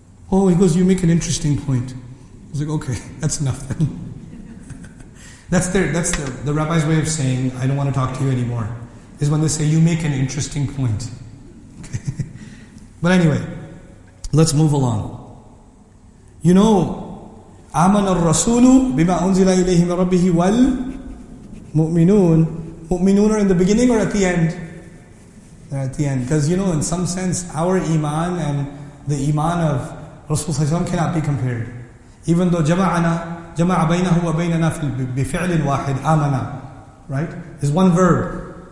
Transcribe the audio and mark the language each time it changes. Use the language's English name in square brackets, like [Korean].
[English] Oh, he goes, you make an interesting point. I was like, okay, that's enough then. That's the rabbi's way of saying, I don't want to talk to you anymore, is when they say, you make an interesting point. Okay. But anyway, let's move along. You know, [Arabic] آمَنَ الرَّسُولُ بِمَا أُنزِلَ إِلَيْهِ مِنْ رَبِّهِ وَالْمُؤْمِنُونَ. [English] Mu'minun are in the beginning or at the end? They're at the end. Because you know, in some sense, our iman and the iman of Rasulullah cannot be compared. Even though [Arabic] jama'ana, jama'a baynahu wa baynana bifi'lin wahid, amana. [English] Right? Is one verb.